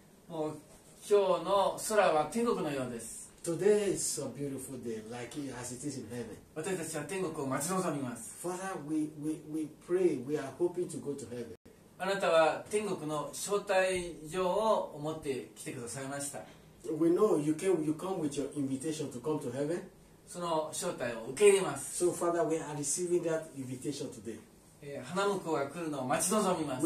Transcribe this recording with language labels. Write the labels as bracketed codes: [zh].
[ja] もう今日の空は天国のようです。 [en] Today is so beautiful day, like as it is in heaven. [ja] 私たちは天国を待ち望みます。 [en] Father, we pray, we are hoping to go to heaven. [ja] あなたは天国の招待状を持って来てくださいました。 [en] We know you come with your invitation to come to heaven. [ja] その招待を受け入れます。 [en] So Father, we are receiving that invitation today. [ja] 花婿が来るのを待ち望みます。